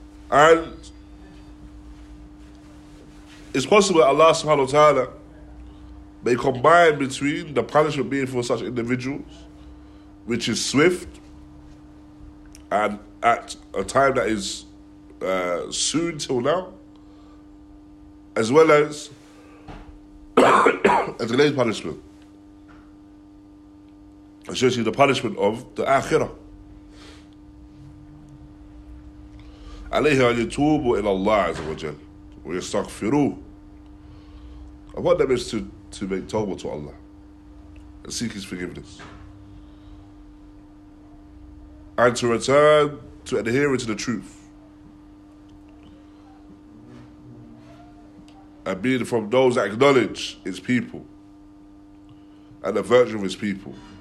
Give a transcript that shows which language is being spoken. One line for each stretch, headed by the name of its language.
English: And it's possible that Allah subhanahu wa ta'ala may combine between the punishment being for such individuals, which is swift, and at a time that is soon till now, as well as a delayed punishment, especially the punishment of the Akhirah.
Arabic: عليه أن يتوبوا إلى الله عز وجل ويستغفروا.
English: And what that means to make tawbah to Allah and seek His forgiveness. And to return to adhering to the truth. And being from those that acknowledge His people and the virtue of His people.